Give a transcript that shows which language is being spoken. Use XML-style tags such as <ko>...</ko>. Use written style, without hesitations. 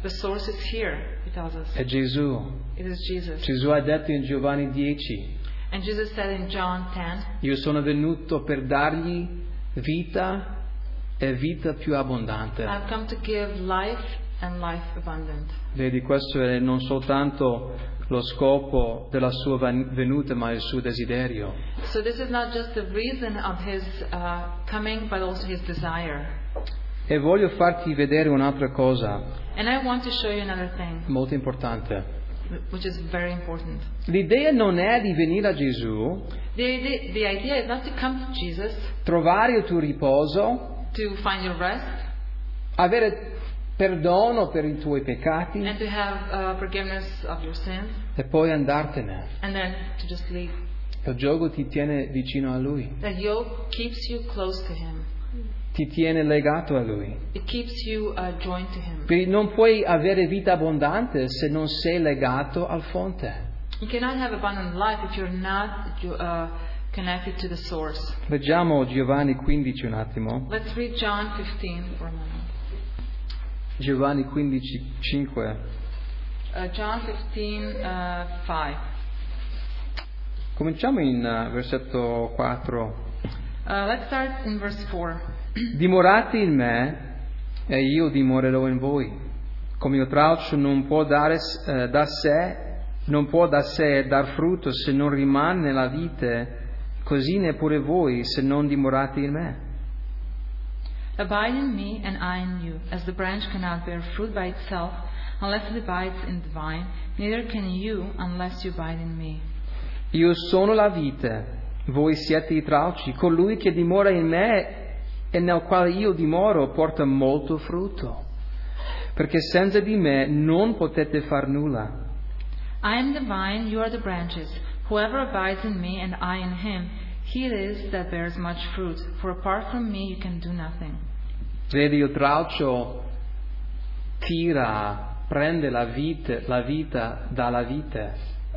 <en>The source is here, he tells us.</en> <it>È Gesù.</it> <en>It is Jesus.</en> <it>Gesù ha detto in Giovanni 10.</it> <en>And Jesus said in John 10.</en> <it>Io sono venuto per dargli vita e vita più abbondante.</it> <en>I've come to give life and life abundant.</en> <it>Vedi, questo è non soltanto lo scopo della sua venuta, ma il suo desiderio.</it> <en>So this is not just the reason of his coming, but also his desire.</en> <it>E voglio farti vedere un'altra cosa.</it> <en>And I want to show you another thing.</en> <it>Molto importante.</it> <en>Which is very important.</en> <it>L'idea non è di venire a Gesù.</it> <en>The idea is not to come to Jesus.</en> <it>Trovare il tuo riposo.</it> <en>To find your rest.</en> <it>Avere perdono per i tuoi peccati.</it> <en>And to have forgiveness of your sins.</en> <it>E poi andartene.</it> <en>And then to just leave.</en> <it>Il giogo ti tiene vicino a lui.</it> <en>The yoke keeps you close to him.</en> <it>Ti tiene legato a lui.</it> <en>It keeps you joined to him.</en> <it>Quindi non puoi avere vita abbondante se non sei legato al fonte.</it> <en>You cannot have abundant life if you're not connected to the source.</en> <it>Leggiamo Giovanni 15 un attimo.</it> <en>Let's read John 15 for a moment.</en> <it>Giovanni 15, 5.</it> <en>John 15, 5.</en> <it>Cominciamo in versetto 4.</it> <en>Let's start in verse 4.</en> <it>Dimorate in me e io dimorerò in voi. Come il tralcio non può dare da sé, non può da sé dar frutto se non rimane nella vite, così neppure voi se non dimorate in me.</it> <en>Abide in me and I in you, as the branch cannot bear fruit by itself unless it abides in the vine, neither can you unless you abide in me.</en> <it>Io sono la vite, voi siete i tralci. Colui che dimora in me e nel quale io dimoro porta molto frutto, perché senza di me non potete far nulla.</it> <en>I am the vine, you are the branches. Whoever abides in me and I in him, he it is that bears much fruit, for apart from me you can do nothing.</en> <it>Vedi, il tralcio tira, prende la vita dalla vite.</it>